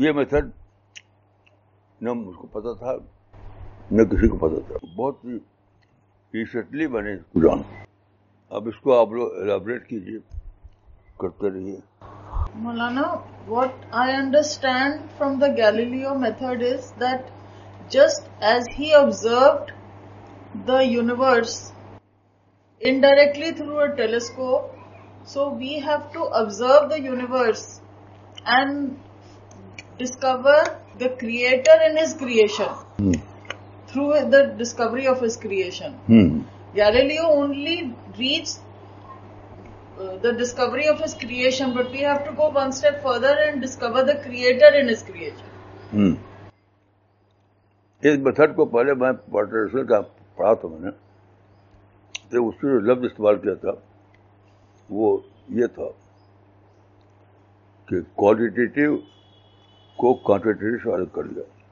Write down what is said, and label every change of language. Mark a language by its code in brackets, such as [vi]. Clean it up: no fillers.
[ur] یہ میتھڈ نہ مجھ کو پتا تھا نہ کسی کو پتا تھا. بہت ریسنٹلی میں نے اس کو جانا. اب اس کو آپ لوگ ایلیبریٹ کیجیے کرتے رہیے. [en] Maulana what I understand from the Galileo method is that just as he observed the universe indirectly through a telescope so we have to observe the universe and discover the creator in his creation through the discovery of his creation. Galileo only reach the discovery of his creation, but we have to go one step further and discover the creator in his creation. [ur] اس method کو پہلے میں partnership کا پڑھا تھا. میں نے اس سے جو لفظ استعمال کیا تھا وہ یہ تھا کہ کوالیٹیٹیو کو کوانٹیٹیو سے الگ کر لیا.